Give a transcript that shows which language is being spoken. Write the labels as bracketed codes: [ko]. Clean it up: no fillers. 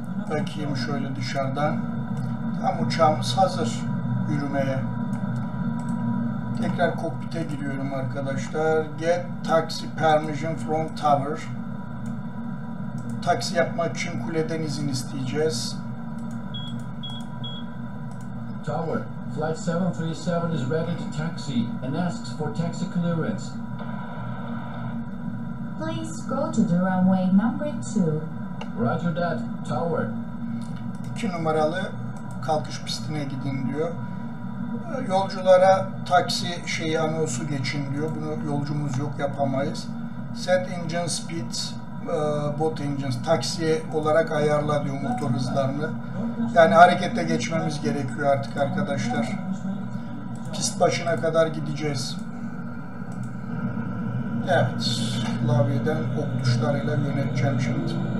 [tr] Bakayım şöyle dışarıdan. Tam uçağımız hazır yürümeye. Tekrar kokpite giriyorum arkadaşlar. [en] Get taxi permission from tower. [tr] Taksi yapmak için kuleden izin isteyeceğiz. [en] Tower, flight 737 is ready to taxi and asks for taxi clearance. Please go to the runway number 2. Roger that, tower. [tr] 2 numaralı kalkış pistine gidin diyor. Yolculara taksi şeyi anonsu geçin diyor. Bunu yolcumuz yok, yapamayız. [en] Set engine speed, both engines. [tr] Taksi olarak ayarla diyor motor hızlarını. Yani harekete geçmemiz gerekiyor artık arkadaşlar. pist başına kadar gideceğiz. Evet, klavyeden ok tuşlarıyla yöneteceğim şimdi.